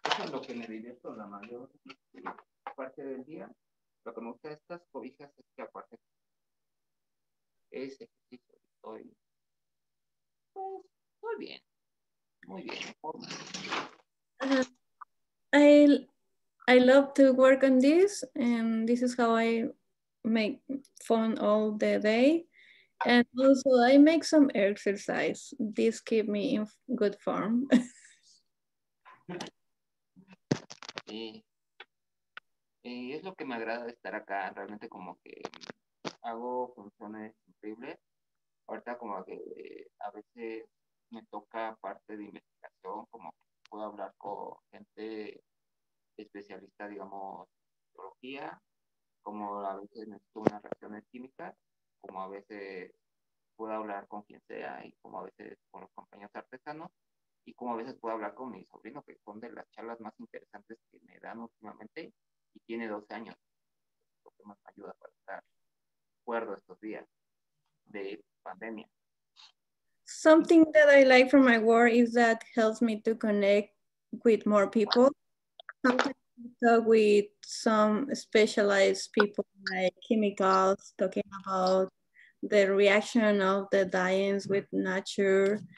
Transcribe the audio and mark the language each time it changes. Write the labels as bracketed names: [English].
[Spanish] Lo que me divierto la mayor parte del día, lo que me gusta de estas cobijas es que aparte es ejercicio, estoy pues muy bien en forma. [English] I love to work on this, and this is how I make fun all the day, and also I make some exercise. This keep me in good form. [Spanish] Y es lo que me agrada de estar acá, realmente como que hago funciones increíbles. Ahorita como que a veces me toca parte de investigación, como que puedo hablar con gente especialista, digamos, en biología, como a veces necesito unas reacciones químicas, como a veces puedo hablar con quien sé idea y como a veces con los compañeros artesanos y como a veces puedo hablar con mi sobrino, que son de las charlas más interesantes que me dan últimamente y tiene 12 años, lo que más me ayuda para estar cuerdo estos días de pandemia. [English] Something that I like from my work is that helps me to connect with more people. Sometimes I talk with some specialized people like chemicals, talking about the reaction of the dyes with nature.